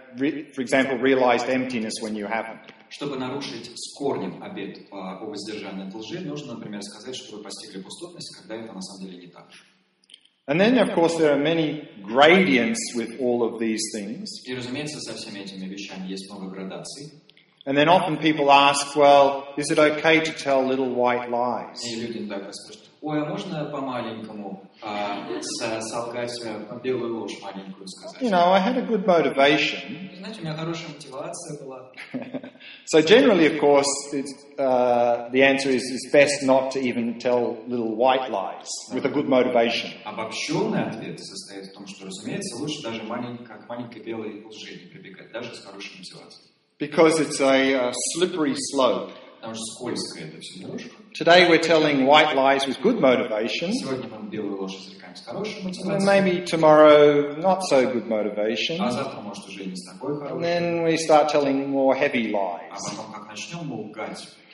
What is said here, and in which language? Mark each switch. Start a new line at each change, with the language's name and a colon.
English: for example, realized emptiness when you haven't.
Russian: Чтобы нарушить с корнем обет о воздержании от лжи, нужно, например, сказать, что вы постигли пустотность, когда это на самом деле не так.
English: And then, of course, there are many gradients with all of these things.
Russian: И, разумеется, со всеми этими вещами есть много градаций.
English: And then often people ask, well, is it okay to tell little white lies?
Russian: И люди иногда спрашивают, ой, а можно по-маленькому солгать свою белую ложь маленькую сказать?
English: You know, I had a good motivation.
Russian: Знаете, у меня хорошая мотивация была.
English: So generally, of course, it's, the answer is it's best not to even tell little white lies with a good motivation.
Russian: Обобщенный ответ состоит в том, что, разумеется, лучше даже маленькой, к маленькой белой лжи не прибегать, даже с хорошей мотивацией.
English: Because it's a slippery slope.
Russian: Потому что скользкая эта вся дорожка.
English: Today we're telling white lies with good motivation.
Russian: Сегодня мы белую ложь изрекаем с хорошей мотивацией.
English: And maybe tomorrow not so good motivation.
Russian: А завтра может уже не с такой хорошей.
English: And then we start telling more heavy lies.
Russian: А потом как начнем лгать.